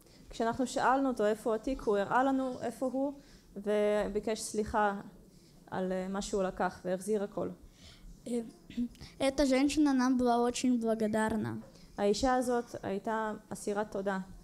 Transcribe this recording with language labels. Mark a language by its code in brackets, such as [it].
[he] כשאנחנו שאלנו אותו איפה התיק, הוא הראה לנו איפה הוא וביקש סליחה על מה שהוא לקח והחזיר הכל. [ru] Эта женщина нам была очень благодарна. [he] האישה הזאת הייתה אסירת תודה.